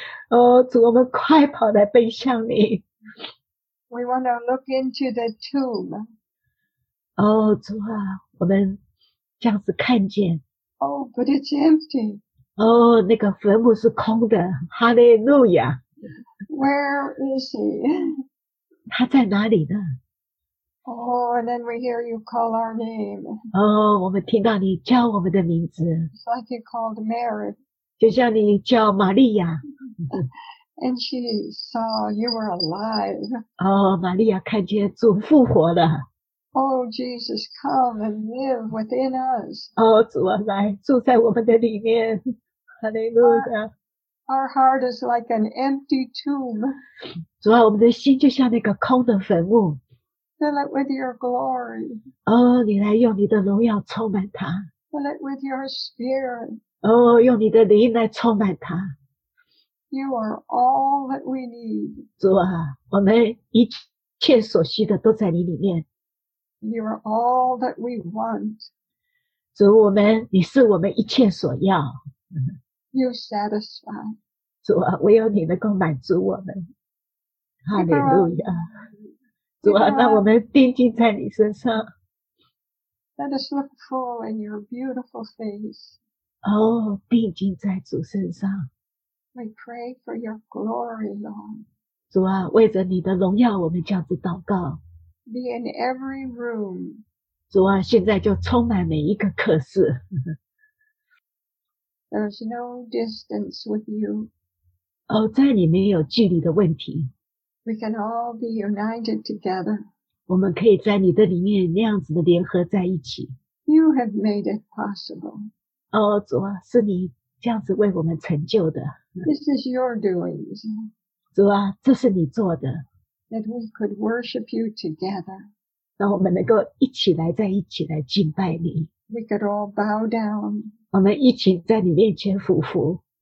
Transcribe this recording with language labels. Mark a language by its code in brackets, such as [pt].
[zh] 哦，主，我们快跑来奔向你。 [en] We want to look into the tomb. [zh] 哦，主啊，我们这样子看见。 [en] Oh, but it's empty. [zh] 哦，那个坟墓是空的。哈利路亚。 [en] Where is he? [zh] 他在哪里呢？ [en] Oh, and then we hear you call our name. [zh] 哦，我们听到你叫我们的名字。 [en] It's like you called Mary. [zh] 就像你叫玛利亚。 [en] And she saw you were alive. [zh] 哦，玛利亚看见主复活了。 [en] Oh, Jesus, come and live within us. [zh] 哦，主啊，来住在我们的里面。哈利路亚。 [en] Our heart is like an empty tomb. [zh] 主啊，我们的心就像那个空的坟墓。 [en] Fill it with your glory. [zh] 哦，你来用你的荣耀充满它。 [en] Fill it with your spirit. [zh] 哦，用你的灵来充满它。 [en] You are all that we need. [zh] 主啊，我们一切所需的都在你里面。 [en] You are all that we want. [zh] 主，我们，你是我们一切所要。 [en] You satisfy. [zh] 主啊，唯有你能够满足我们。哈利路亚。主啊，让我们定睛在你身上。 [en] Let us look full in your beautiful face. [zh] 哦，定睛在主身上。 [en] We pray for your glory, Lord. [zh] 主啊，为着你的荣耀，我们这样子祷告。 [en] Be in every room. [zh] 主啊，现在就充满每一个客室。 [en] There's no distance with you. [zh] 哦，在你没有距离的问题。 [en] We can all be united together. [zh] 我们可以在你的里面那样子的联合在一起。 [en] You have made it possible. [zh] 哦，主啊，是你这样子为我们成就的。 [en] This is your doings. [zh] 主啊，这是你做的。 [en] That we could worship you together. [zh] 让我们能够一起来，在一起来敬拜你。 [en] We could all bow down. [zh] 我们一起在你面前俯伏。